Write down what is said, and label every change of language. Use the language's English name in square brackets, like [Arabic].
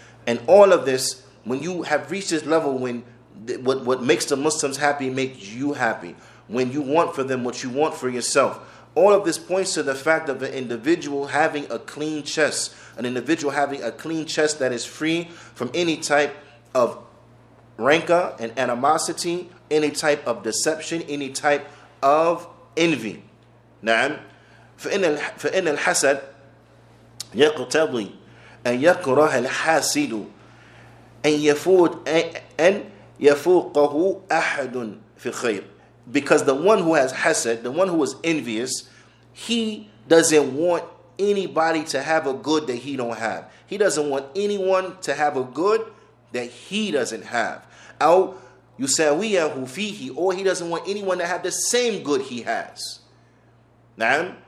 [English] And all of this, when you have reached this level, when what makes the Muslims happy makes you happy, when you want for them what you want for yourself, all of this points to the fact of an individual having a clean chest, an individual having a clean chest that is free from any type of rancor and animosity, any type of deception, any type of envy. [Arabic] Naam. فإن الحسد يقتضي أن يكره الحاسد أن يفوقه أحد في الخير. [English] Because the one who has hasad, the one who is envious, he doesn't want anybody to have a good that he don't have. He doesn't want anyone to have a good that he doesn't have. [Arabic] أو يساويه فيه, [English] or he doesn't want anyone to have the same good he has. Naam?